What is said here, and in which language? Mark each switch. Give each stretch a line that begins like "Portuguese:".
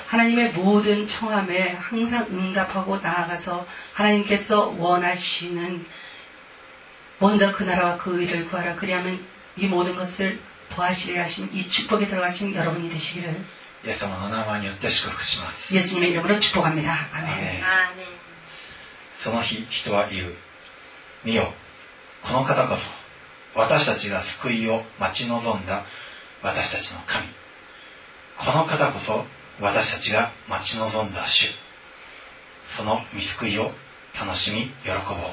Korean: 하나님의모든청함에항상응답하고나아가서하나님께서원하시는먼저그나라와그의를구하라그리하면이모든것을도하시리하신이축복에들어가신여러분이되시기를 예수님의
Japanese: 名前によって祝福します
Korean: 예수님의이름으로축복합니다아멘아멘
Japanese: その日人は言う見よこの方こそ私たちが救いを待ち望んだ私たちの神この方こそ私たちが待ち望んだ主その御救いを楽しみ喜ぼう雨